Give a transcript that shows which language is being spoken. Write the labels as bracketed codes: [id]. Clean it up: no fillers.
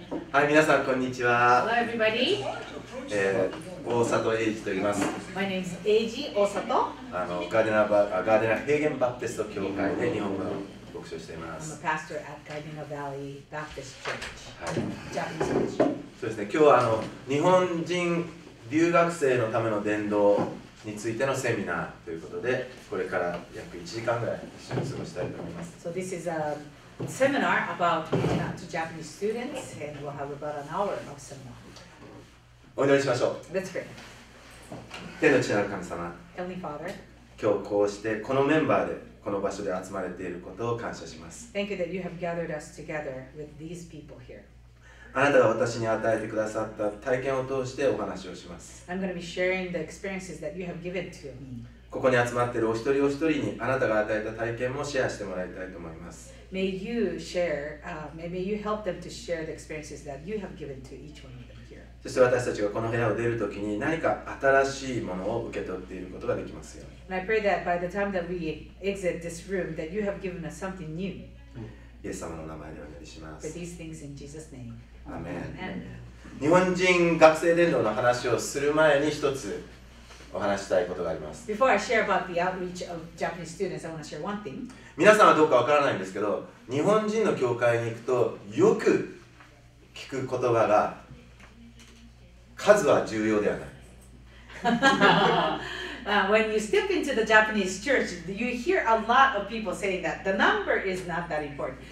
[ja] はい、皆さんこんにちは。 [en] Hello everybody. [ja] 大里英二と言います。 [en] My name is Eiji Osato. [ja] ガーデナー平原バプテスト教会で日本語を牧師しています。 [en] I'm a pastor at Gardena Valley Baptist Church. [ja] はい。 [en] Japanese church. [ja] そうですね。今日は日本人留学生のための伝道についてのセミナーということで、これから約1時間ぐらい一緒に過ごしたいと思います。 [en] So this is a seminar about reaching out to Japanese students, and we'll have about an hour of seminar. [ja] お祈りしましょう。 [en] Let's pray. [ja] 天の父なる神様、 [en] Heavenly Father, [ja] 今日こうしてこのメンバーでこの場所で集まれていることを感謝します。 [en] Thank you that you have gathered us together with these people here. [ja] あなたが私に与えてくださった体験を通してお話をします。 [en] I'm going to be sharing the experiences that you have given to me. [ja] ここに集まっているお一人お一人にあなたが与えた体験もシェアしてもらいたいと思います。 [en] May you share, maybe you help them to share the experiences that you have given to each one of them here. [ja] そして私たちがこの部屋を出るときに何か新しいものを受け取っていることができますように。 [en] And I pray that by the time that we exit this room, that you have given us something new. [ja] イエス様の名前でお祈りします。 [en] For these things in Jesus' name. [ja] アメン。日本人学生伝道の話をする前に一つお話したいことがあります。 [en] Before I share about the outreach of Japanese students, I want to share one thing. [ja] 皆さんはどうかわからないんですけど、日本人の教会に行くとよく聞く言葉が数は重要ではない。 [en] When you step into the Japanese church, you hear a lot of people saying that the number is not that important.